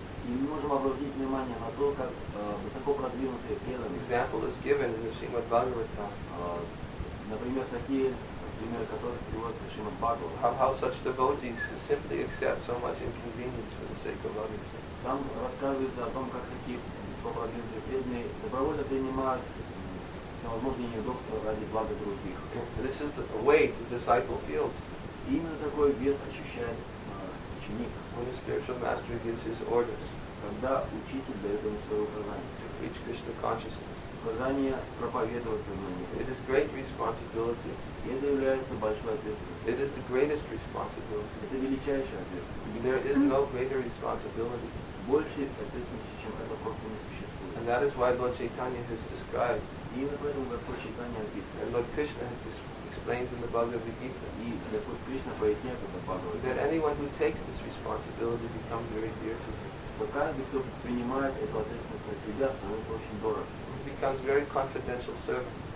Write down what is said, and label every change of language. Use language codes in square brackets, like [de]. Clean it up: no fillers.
[ru] И мы можем обратить внимание на то, как высоко продвинутые преданные. [en] Example is given in the Srimad Bhagavatam. [ru] Например, такие примеры, которые приводят к Шримад Бхагаватам. [en] How such devotees simply accept so much inconvenience for the sake of others. [ru] Там рассказывается о том, как такие беспроводные преданные добровольно принимают всевозможные неудобства ради блага других. [en] This is the way the disciple feels. [ru] Именно такой вес ощущает ученик. [en] When the spiritual master gives his orders. [ru] Когда учитель дает ему свое указание. [en] To preach Krishna consciousness. [ru] Указание проповедовать сознание. [en] It is great responsibility. [ru] И это является большой ответственностью. [en] It is the greatest responsibility. [ru] Это величайшая ответственность. [en] There is no greater responsibility. [ru] Больше ответственности, чем это просто не существует. [en] And that is why Lord Chaitanya has described. [ru] И именно поэтому Господь Чайтанья описывает. [en] And Lord Krishna has explains in the Bhagavad Gita. [ru] И Господь Кришна поясняет это Бхагавад. [en] That anyone who takes this responsibility becomes very dear to him. [ru] Но каждый, кто принимает эту ответственность на себя, становится очень дорог. [en] Becomes very confidential servant.